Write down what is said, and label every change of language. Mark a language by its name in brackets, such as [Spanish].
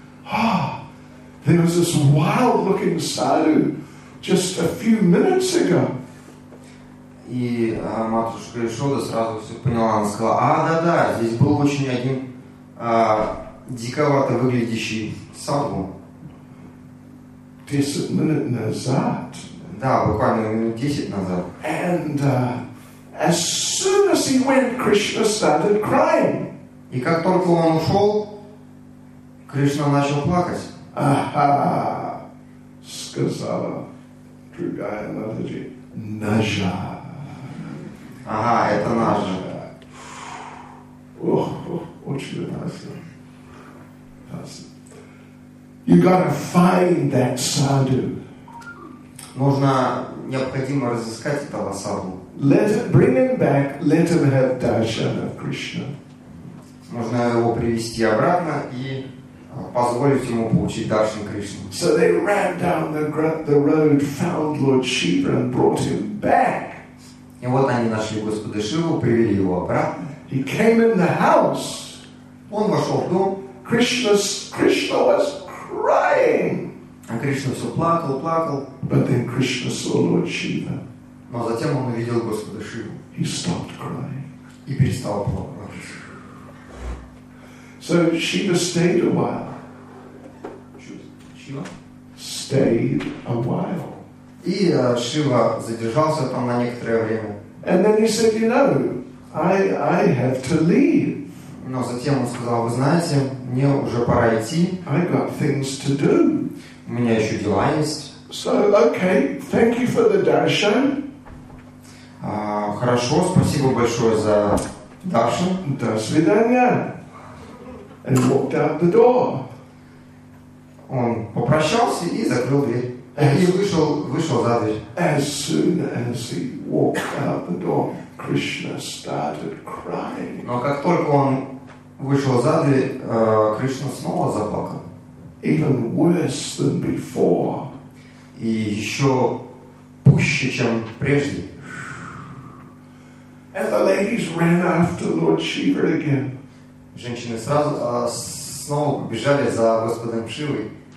[English] Oh, there was this wild-looking sadhu just a few minutes ago. [Russian] И матушка Ишода сразу все поняла. Она сказала, да-да, здесь был очень один диковато выглядящий садху. 10 минут назад. Да, буквально минут 10 назад. [English] And as soon as he went, Krishna started crying. [Russian] И как только он ушел, Кришна начал плакать. Ага, сказала другая Матаджи. Нажа. Ага, это нажа. Ох, очень опасно. [English] You gotta find that sadhu. [Russian] Нужно, необходимо разыскать этого садху. [English] Let him bring him back. Let him have darshan of Krishna. [Russian] Можно его привести обратно и позволить ему получить даршан Кришны. [English] So they ran down the road, found Lord Shiva and brought him back. [Russian] И вот они нашли Господа Шиву, привели его обратно. [English] He came in the house. [Russian] Он вошел в дом. [English] Krishna was crying. [Russian] А Кришна все плакал, плакал. [English] But then Krishna saw Lord Shiva. [Russian] Но затем он увидел Господа Шиву. [English] He stopped crying. [Russian] И перестал плакать. [English] So Shiva stayed a while. Shiva? Stayed a while. [Russian] И Шива задержался там на некоторое время. [English] And then he said, you know, I have to leave. [Russian] Но затем он сказал, вы знаете, мне уже пора идти. [English] I got things to do. [Russian] У меня еще дела есть. [English] So, okay, thank you for the darshan. [Russian] Хорошо, спасибо большое за даршан. До свидания. [English] And walked out the door. [Russian] Он попрощался и закрыл дверь. И вышел за дверь. [English] As soon as he walked out the door, Krishna started crying. [Russian] Но как только он вышел за дверь, Кришна снова заплакал. [English] Even worse than before. [Russian] И еще пуще, чем прежде. [English] And the ladies ran after Lord Shiva again. [Russian] Женщины сразу снова побежали за Господом Шивой.